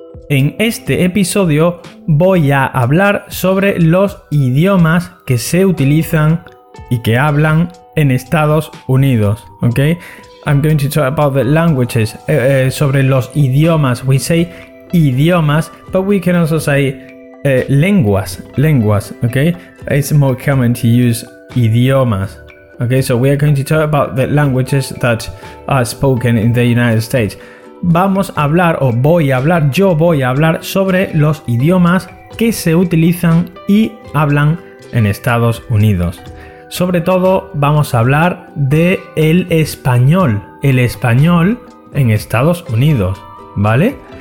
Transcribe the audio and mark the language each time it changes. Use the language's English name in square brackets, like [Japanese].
[Spanish] En este episodio voy a hablar sobre los idiomas que se utilizan y que hablan en Estados Unidos, ¿ok? [English] I'm going to talk about the languages, [Spanish] sobre los idiomas. [English] We say idiomas, but we can also say lenguas, ¿ok? It's more common to use idiomas. ¿Ok? So we are going to talk about the languages that are spoken in the United States. [Spanish] Yo voy a hablar sobre los idiomas que se utilizan y hablan en Estados Unidos. Sobre todo vamos a hablar de el español en Estados Unidos, ¿vale?